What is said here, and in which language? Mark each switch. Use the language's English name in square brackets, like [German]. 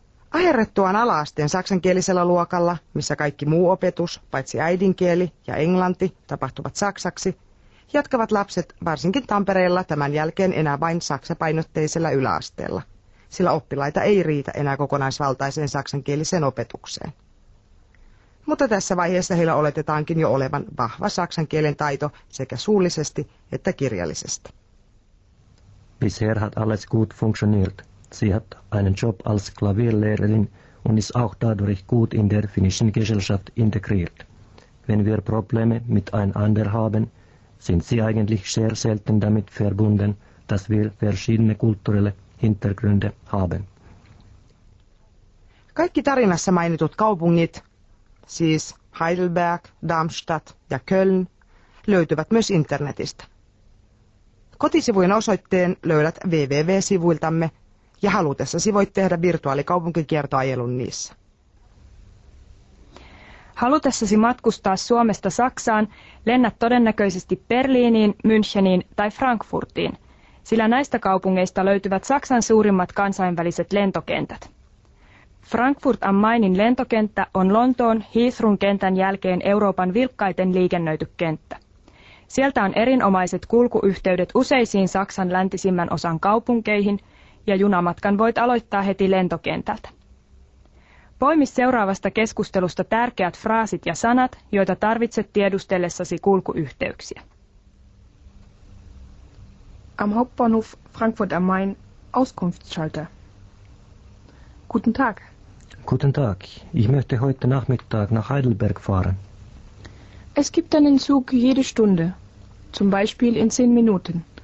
[Finnish] Aherrettuaan ala-asteen saksankielisellä luokalla, missä kaikki muu opetus, paitsi äidinkieli ja englanti, tapahtuvat saksaksi, jatkavat lapset varsinkin Tampereella tämän jälkeen enää vain saksapainotteisella yläasteella, sillä oppilaita ei riitä enää kokonaisvaltaiseen saksankieliseen opetukseen. Mutta tässä vaiheessa heillä oletetaankin jo olevan vahva saksan kielen taito sekä suullisesti että kirjallisesti. [German] Bisher hat alles gut funktioniert. Sie hat einen Job als Klavierlehrerin und ist auch dadurch gut in der finnischen Gesellschaft integriert. Wenn wir Probleme miteinander haben, sind sie eigentlich sehr selten damit verbunden, dass wir verschiedene kulturelle Hintergründe haben. [Finnish] Kaikki tarinassa mainitut kaupungit, siis Heidelberg, Darmstadt ja Köln, löytyvät myös internetistä. Kotisivujen osoitteen löydät www-sivuiltamme ja halutessasi voit tehdä virtuaalikaupunkikiertoajelun niissä. Halutessasi matkustaa Suomesta Saksaan, lennät todennäköisesti Berliiniin, Müncheniin tai Frankfurtiin, sillä näistä kaupungeista löytyvät Saksan suurimmat kansainväliset lentokentät. Frankfurt am Mainin lentokenttä on Lontoon Heathrown kentän jälkeen Euroopan vilkkaiten liikennöity kenttä. Sieltä on erinomaiset kulkuyhteydet useisiin Saksan läntisimmän osan kaupunkeihin ja junamatkan voit aloittaa heti lentokentältä. Poimi seuraavasta keskustelusta tärkeät fraasit ja sanat, joita tarvitset tiedustellessasi kulkuyhteyksiä. [German] Am Hauptbahnhof Frankfurt am Main, Auskunftsschalter. Guten Tag. Guten Tag. Ich möchte heute Nachmittag nach Heidelberg fahren. Es gibt einen Zug jede Stunde, zum Beispiel in 10 Minuten.